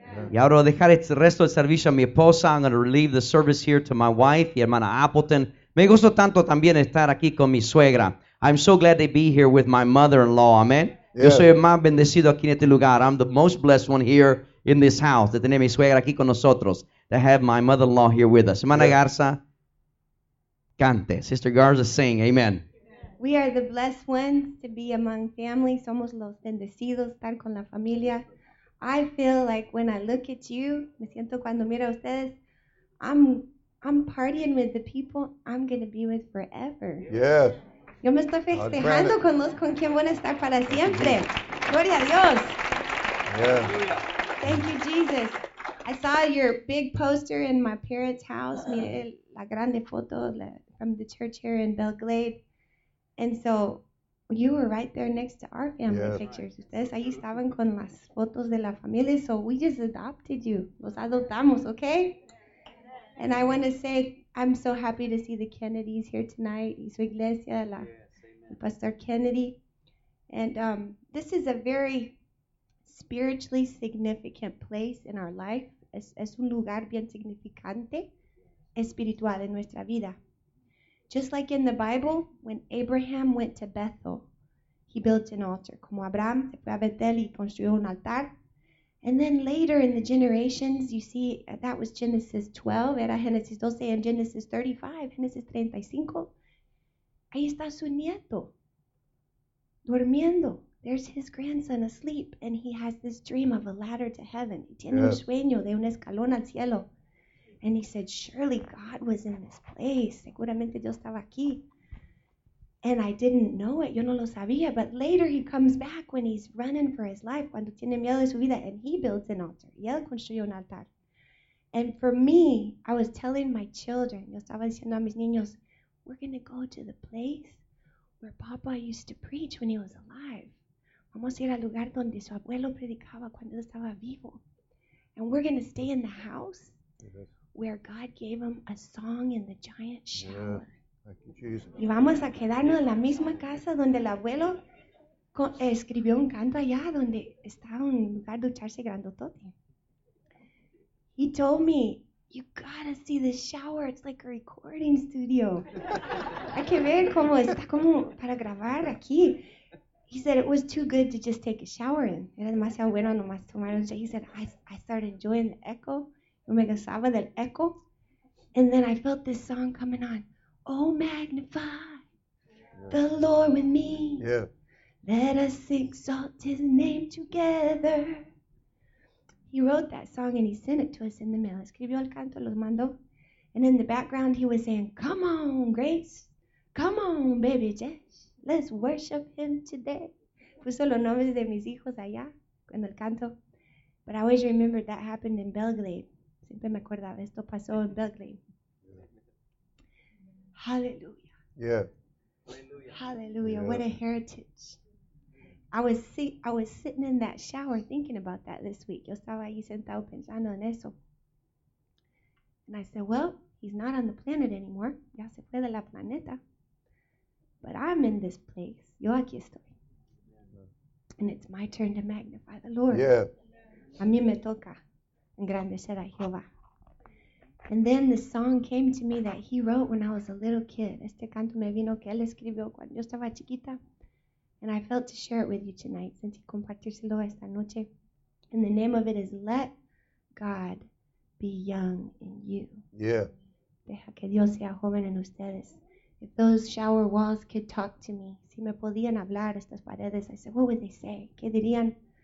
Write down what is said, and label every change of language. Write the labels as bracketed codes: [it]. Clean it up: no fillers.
[es] Y ahora dejar el resto del servicio a mi esposa. [en] I'm going to leave the service here to my wife, [es] y hermana Appleton. Me gusto tanto también estar aquí con mi suegra. [en] I'm so glad to be here with my mother-in-law, amen. [es] Yo soy el más bendecido aquí en este lugar. [en] I'm the most blessed one here in this house. [es] De tener mi suegra aquí con nosotros. [en] To have my mother-in-law here with us. [es] Hermana Garza, cante. [en] Sister Garza, sing. Amen. We are the blessed ones to be among family. [es] Somos los bendecidos estar con la familia. [en] I feel like when I look at you, [es] me siento cuando miro a ustedes, [en] I'm partying with the people I'm going to be with forever. Yes. [es] Yo me estoy festejando con los con quien voy a estar para siempre. Gloria a Dios. [en] Yeah. Thank you, Jesus. I saw your big poster in my parents' house. [es] Mire la grande foto [en] from the church here in Belglade. And so you were right there next to our family pictures. [es] Ustedes ahí estaban con las fotos de la familia. [en] So we just adopted you. [es] Los adoptamos, [en] okay? And I want to say, I'm so happy to see the Kennedys here tonight. [es] Y su iglesia, [en] Pastor Kennedy. And this is a very spiritually significant place in our life. [es] Es un lugar bien significante, espiritual en nuestra vida. [en] Just like in the Bible, when Abraham went to Bethel, he built an altar. [es] Como Abraham se fue a Betel y construyó un altar. [en] And then later in the generations, you see, that was Genesis 12, [es] era Genesis 12, [en] and Genesis 35, Genesis 35, [es] ahí está su nieto, durmiendo. [en] There's his grandson asleep, and he has this dream of a ladder to heaven. [es] Tiene un sueño de un escalón al cielo. [en] And he said, surely God was in this place. [es] Seguramente Dios estaba aquí. [en] And I didn't know it. [es] Yo no lo sabía. [en] But later he comes back when he's running for his life. [es] Cuando tiene miedo de su vida. [en] And he builds an altar. [es] Y él construyó un altar. [en] And for me, I was telling my children. [es] Yo estaba diciendo a mis niños. [en] We're going to go to the place where Papa used to preach when he was alive. [es] Vamos a ir al lugar donde su abuelo predicaba cuando él estaba vivo. [en] And we're going to stay in the house where God gave him a song in the giant shower. Yeah. [es] Y vamos a quedarnos en la misma casa donde el abuelo escribió un canto allá donde estaba un lugar de echarse grandotote. [en] He told me, you gotta see this shower, it's like a recording studio. [es] Hay que ver cómo está como para grabar aquí. [en] He said, it was too good to just take a shower in. [es] Era demasiado bueno nomás tomar un shower. [en] He said, I started enjoying the echo. [es] Yo me gozaba del echo. [en] And then I felt this song coming on. Oh, magnify the Lord with me. Yeah. Let us exalt his name together. He wrote that song and he sent it to us in the mail. [es] Escribió el canto, lo mandó. [en] And in the background, he was saying, come on, Grace. Come on, baby Jess. Let's worship him today. [es] Puso los nombres de mis hijos allá en el canto. [en] But I always remembered that happened in Belgrade. [es] Siempre me acordaba, esto pasó en Belgrade. [en] Hallelujah. Yeah. Hallelujah. Yeah. What a heritage. I was sitting in that shower thinking about that this week. [es] Yo estaba ahí sentado pensando en eso. [en] And I said, well, he's not on the planet anymore. [es] Ya se fue de la planeta. [en] But I'm in this place. [es] Yo aquí estoy. [en] And it's my turn to magnify the Lord. Yeah. [es] A mí me toca engrandecer a Jehová. [en] And then the song came to me that he wrote when I was a little kid. [es] Este canto me vino que él escribió cuando yo estaba chiquita. [en] And I felt to share it with you tonight. [es] Sentí compartírselo esta noche. [en] And the name of it is Let God Be Young in You. Yeah. [es] Deja que Dios sea joven en ustedes. [en] If those shower walls could talk to me, [es] si me podían hablar estas paredes, [en] I said, what would they say? [es] ¿Qué dirían?